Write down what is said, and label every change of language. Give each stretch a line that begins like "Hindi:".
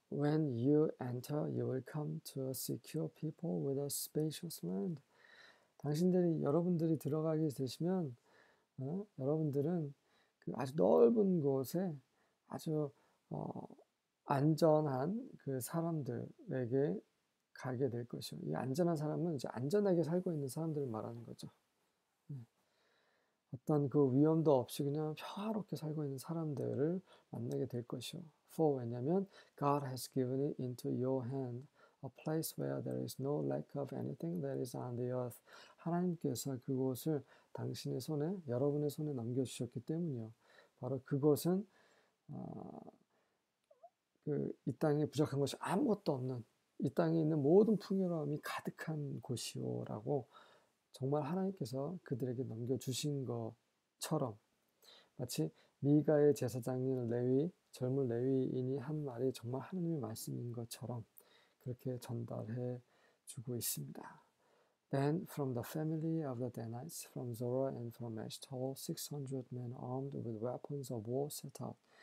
English: When you enter, you will come to a secure people with a spacious land.
Korean: 여러분들이 들어가게 되시면, 여러분들은 그 아주 넓은 곳에 아주 안전한 그 사람들에게 가게 될 것이요. 이 안전한 사람은 이제 안전하게 살고 있는 사람들을 말하는 거죠. 어떤 그 위험도 없이 그냥 평화롭게 살고 있는 사람들을 만나게 될 것이요.
English: For
Korean: 왜냐면
English: God has given it into your hand, a place where there is no lack of anything that is on the earth.
Korean: 하나님께서 그곳을 당신의 손에, 여러분의 손에 넘겨주셨기 때문이요. 바로 그곳은 그이 땅에 부족한 것이 아무것도 없는, 이 땅에 있는 모든 풍요로움이 가득한 곳이오라고 정말 하나님께서 그들에게 넘겨주신 것처럼 마치 미가의 제사장인 젊은 레위인이 한 말이 정말 하나님의 말씀인 것처럼 그렇게 전달해 주고 있습니다.
English: Then from the family of the Danites, from Zorah and from Eshtaol, 600 men armed with weapons of war set out.